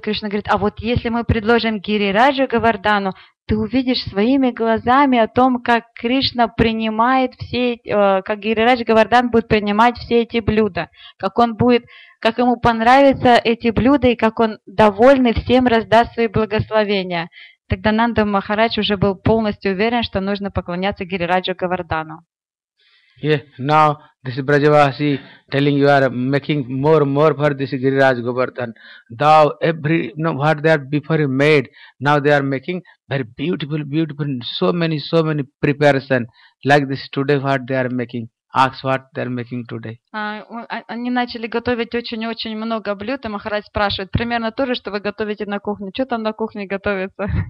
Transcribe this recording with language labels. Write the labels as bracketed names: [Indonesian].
[Russian] Кришна говорит, а вот если мы предложим Гирираджу Говардану, ты увидишь своими глазами о том, как Кришна принимает все, как Гирирадж Говардан будет принимать все эти блюда, как он будет, как ему понравятся эти блюда и как он довольный всем раздаст свои благословения. Тогда Нанда Махарадж уже был полностью уверен, что нужно поклоняться Гирираджу Говардану. [English] Yeah, now this Brajavasi telling you are making more and more for this Giriraj Govardhan. Thou every, you know, what they are before you made, now they are making very beautiful, beautiful, so many preparation like this today what they are making. Ask what they are making today. [Russian] Они начали готовить очень-очень много блюд, и Махарадж спрашивает, примерно то же, что вы готовите на кухне. Что там на кухне готовится?